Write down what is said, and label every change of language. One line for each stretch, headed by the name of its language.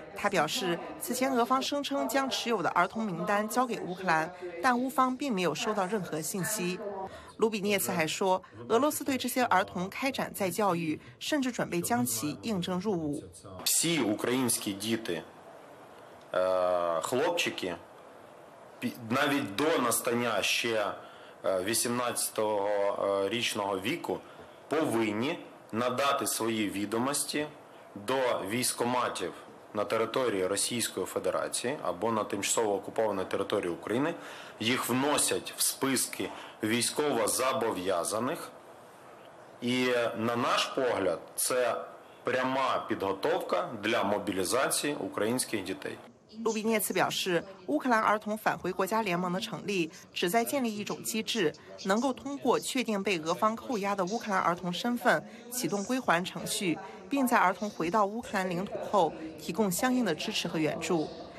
Chinese: 他表示，此前俄方声称将持有的儿童名单交给乌克兰，但乌方并没有收到任何信息。卢比涅茨还说，俄罗斯对这些儿童开展再教育，甚至准备将其应征入伍。
Ukrainian: Всі українські діти。 Хлопчики, навіть до настання ще 18-річного віку, повинні надати свої відомості до військкоматів на території Російської Федерації або на тимчасово окупованій території України, їх вносять в списки військово зобов'язаних. І на наш погляд, це пряма підготовка для мобілізації українських дітей.
Chinese: 卢比涅茨表示，乌克兰儿童返回国家联盟的成立旨在建立一种机制，能够通过确定被俄方扣押的乌克兰儿童身份启动归还程序，并在儿童回到乌克兰领土后提供相应的支持和援助。